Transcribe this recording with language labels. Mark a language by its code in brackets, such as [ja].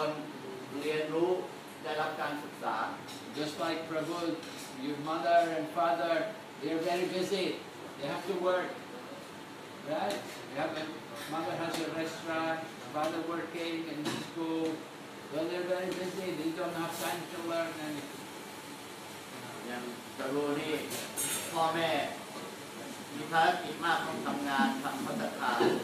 [th] ฉะนั้นช่วงเวลานี้เป็นช่วงเวลาที่เราควรเรียนรู้ได้รับการศึกษา [en] Just like Prabhu, your mother and father, they're very busy. They have to work, right? You have a mother has a restaurant, father working in the school. Well, they're very busy. They don't have time to learn anything. [th] อย่างตะลุนี่พ่อแม่มีภารกิจมากต้องทำงานทำพัฒนาการ